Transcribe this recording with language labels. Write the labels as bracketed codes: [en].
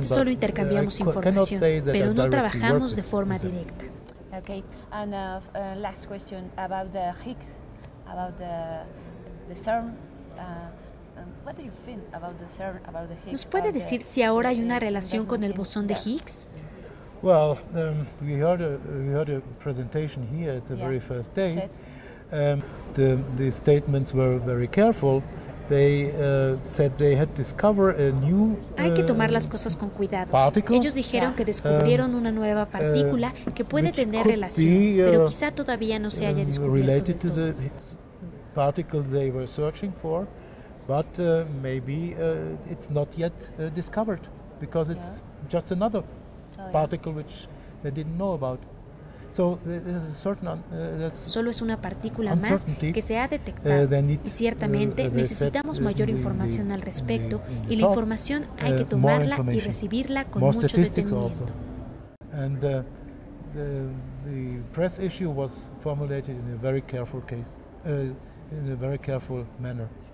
[es] Actualmente solo intercambiamos información, pero no trabajamos de forma directa. [en] Okay, and last question about the Higgs, about the CERN. What do you think about the CERN, about the Higgs? [es] ¿Nos puede decir si ahora hay una relación con el bosón de Higgs? [en] Well, we heard a presentation here at the very first day. The statements were very careful. They said they had discovered a new [es] Hay que tomar las cosas con cuidado. [en] Particle. [es] Ellos dijeron que descubrieron una nueva partícula que puede tener relación, pero quizá todavía no se haya descubierto. [en] Related to the particle they were searching for, but maybe it's not yet discovered because it's just another particle which they didn't know about. So there's a certain [es] solo es una partícula más que se ha detectado y ciertamente necesitamos mayor información al respecto y la información hay que tomarla y recibirla con [en] more [es] mucho detenimiento. [en] Also. And the press issue was formulated in a very careful case in a very careful manner.